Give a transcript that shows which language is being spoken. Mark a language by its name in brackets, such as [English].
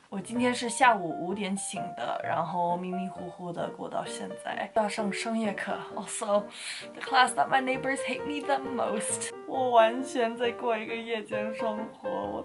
[Chinese] 我今天是下午五点醒的，然后迷迷糊糊的过到现在，要上深夜课。 [English] Also, the class that my neighbors hate me the most. [Chinese] 我完全在过一个夜间生活。